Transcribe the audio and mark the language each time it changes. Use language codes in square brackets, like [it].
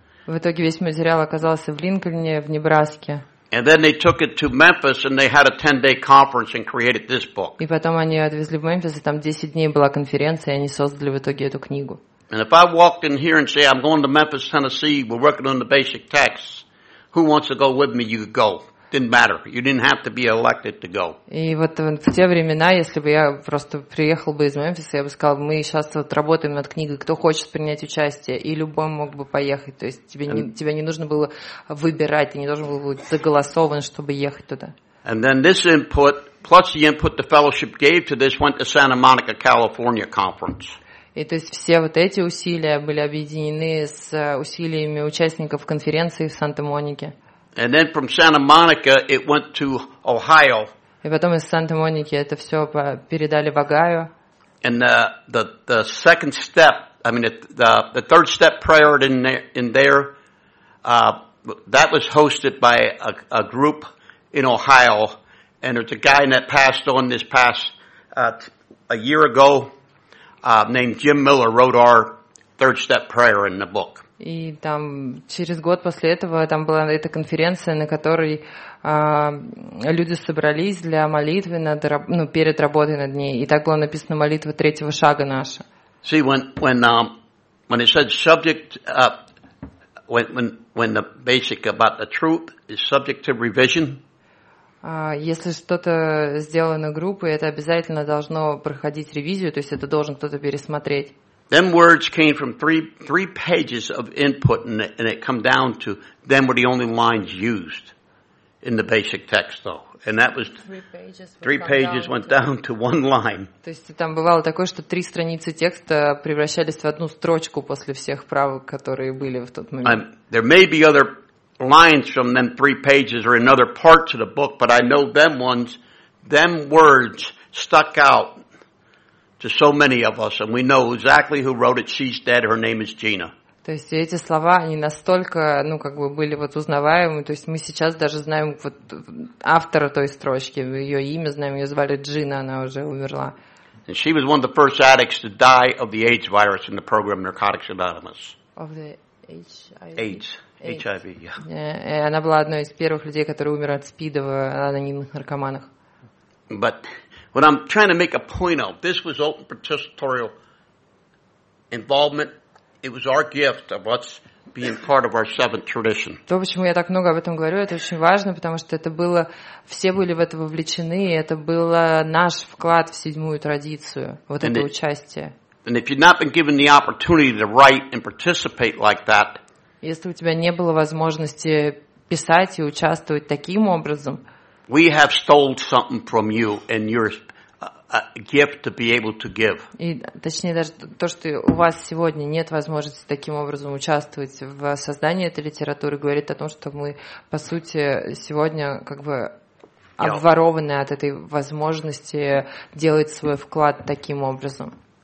[ru] В итоге весь материал оказался в Линкольне, в Небраске. [en] And then they took it to Memphis and they had a 10-day conference and created this book. [ru] И потом они отвезли в Мемфис, и там 10 дней была конференция, и они создали в итоге эту книгу. [en] And if I walked in here and say, I'm going to Memphis, Tennessee, we're working on the basic text, who wants to go with me, you could go. Didn't matter. You didn't have to be elected to go. [ru] И вот в те времена, если бы я просто приехал бы из Мемфиса, я бы сказал, мы сейчас вот работаем над книгой, кто хочет принять участие, и любой мог бы поехать. То есть тебе не нужно было выбирать, ты не должен был быть заголосован, чтобы ехать туда. [en] And then this input, plus the input the fellowship gave to this, went to Santa Monica, California conference. [ru] И то есть все вот эти усилия были объединены с усилиями участников конференции в Санта-Монике. [en] And then from Santa Monica, it went to Ohio. [ru] И потом из Санта-Моники это все передали в Огайо. [en] And the second step, I mean the third step prior in there, that was hosted by a group in Ohio, and there's a guy that passed on this past a year ago, named Jim Miller, wrote our third step prayer in the book. [ru] И там через год после этого там была эта конференция, на которой люди собрались для молитвы перед работой над ней. И так была написана молитва третьего шага наша. [en] See, when it says subject, when the basic about the truth is subject to revision. [ru] Если что-то сделано группой, это обязательно должно проходить ревизию, то есть это должен кто-то пересмотреть. [en] Them words came from three pages of input, and it come down to them were the only lines used in the basic text, though, And that was three pages went down to one line. [ru] То есть там бывало такое, что три страницы текста превращались в одну строчку после всех правок, которые были в тот момент. [en] There may be other lines from them three pages or in other parts of the book, but I know them ones, them words stuck out to so many of us, and we know exactly who wrote it. She's dead. Her name is Gina. [ru] То есть эти слова, они настолько, ну, как бы были вот узнаваемы, то есть мы сейчас даже знаем вот автора той строчки, ее имя знаем, ее звали Джина, она уже умерла. [en] And she was one of the first addicts to die of the AIDS virus in the program Narcotics Anonymous. Of the HIV. AIDS. HIV, yeah. [ru] Yeah, она была одной из первых людей, которые умерли от СПИДа в анонимных наркоманах. [en] But what I'm trying to make a point of, this was open participatorial involvement. It was our gift of us being part of our seventh tradition. [ru] То, почему я так много об этом говорю, это очень важно, потому что это было, все были в это вовлечены, и это был наш вклад в седьмую традицию, вот это участие. [en] And if you've not been given the opportunity to write and participate like that, [ru] если у тебя не было возможности писать и участвовать таким образом, [en] we have stole something from you and yours. A gift to be able to give. [ru] И точнее даже то, что у вас сегодня нет возможности таким образом участвовать в создании этой литературы, говорит о том, что мы по сути сегодня как бы обворованы от этой возможности делать свой вклад таким образом.